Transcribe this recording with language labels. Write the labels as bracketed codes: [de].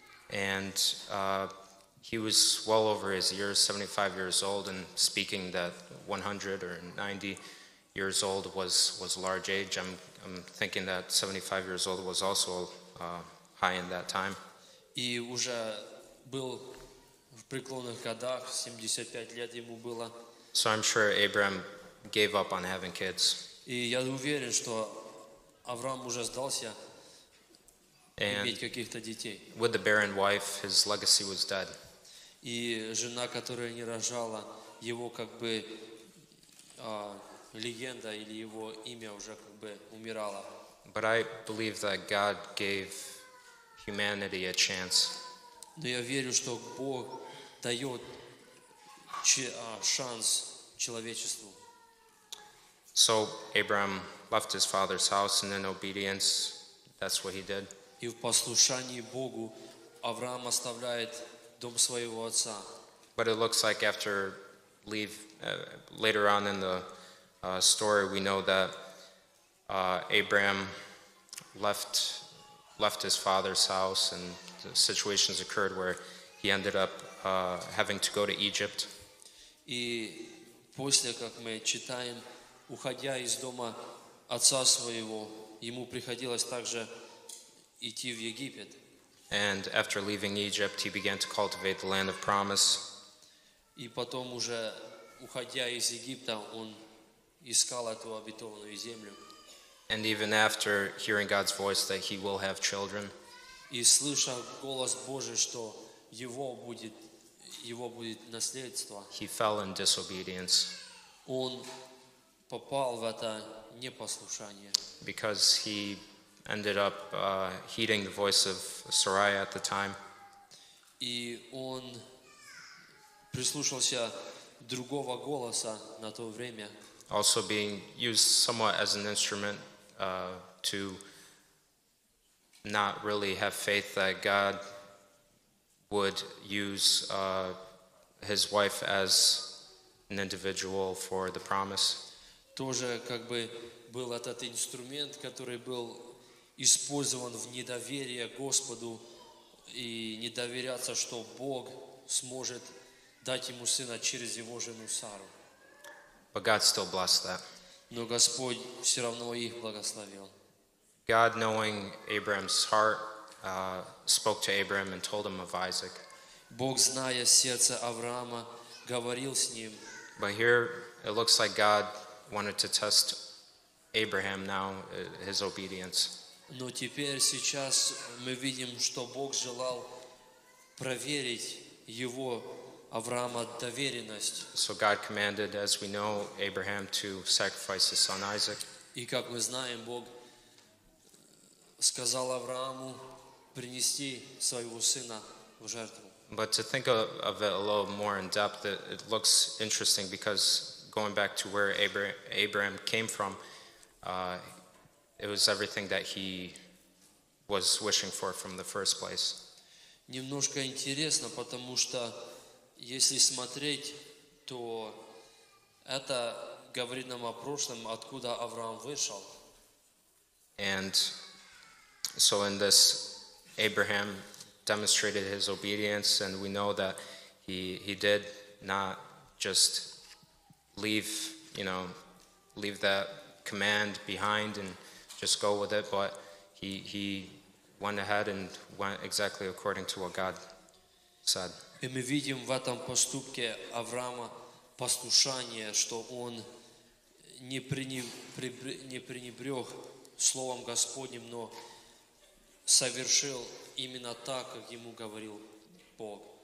[en] And he was well over his years, 75 years old, and speaking that 100 or 90 years old was a large age. I'm thinking that 75 years old was also high in that time. [ru] И уже был в преклонных годах, 75 лет ему было. [en] So I'm sure Abraham gave up on having kids. [ru] И я уверен, что Авраам уже сдался иметь каких-то детей. [en] With the barren wife, his legacy was dead. [ru] И жена, которая не рожала, его как бы легенда или его имя уже как бы умирало. [en] But I believe that God gave humanity a chance. [ru] Но я верю, что Бог дает шанс человечеству. [en] So Abraham left his father's house, and in obedience, that's what he did. [ru] И в послушании Богу Авраам оставляет дом своего отца. [en] But it looks like after later on in the story, we know that Abraham left his father's house, and situations occurred where he ended up having to go to Egypt. [ru] И после, как мы читаем, уходя из дома отца своего, ему приходилось также идти в Египет. [en] And after leaving Egypt, he began to cultivate the land of promise. [ru] И потом уже, уходя из Египта, он искал эту обетованную землю. [en] And even after hearing God's voice that he will have children. [ru] И слыша голос Божий, что его будет наследство. [en] He fell in disobedience. [ru] Он попал в это непослушание. [en] Because he ended up heeding the voice of Sarai at the time. [ru] И он прислушался другого голоса на то время. [en] Also being used somewhat as an instrument to not really have faith that God would use his wife as an individual for the promise. [ru] Тоже как бы был этот инструмент, который был использован в недоверие Господу и не доверяться, что Бог сможет дать ему сына через его жену Сару. [en] But God still blessed that. [ru] Но Господь все равно их благословил. [en] God, knowing Abraham's heart, spoke to Abraham and told him of Isaac. [ru] Бог, зная сердце Авраама, говорил с ним. [en] But here it looks like God wanted to test Abraham now, his obedience. [ru] Но теперь сейчас мы видим, что Бог желал проверить его Авраама доверенность. [en] So God commanded, as we know, Abraham to sacrifice his son Isaac. [ru] И как мы знаем, Бог сказал Аврааму принести своего сына в жертву. [en] But to think of it a little more in depth, it looks interesting because going back to where Abraham came from, it was everything that he was wishing for from the first place. [ru] Немножко интересно, потому что если смотреть, то это говорит нам о прошлом, откуда Авраам вышел. [en] And so in this, Abraham demonstrated his obedience, and we know that he did not just leave, you know, leave that command behind and just go with it, but he went ahead and went exactly according to what God said. [ru] И мы видим в этом поступке Авраама послушание, что он не пренебрег словом Господним, но совершил именно так, как ему говорил Бог.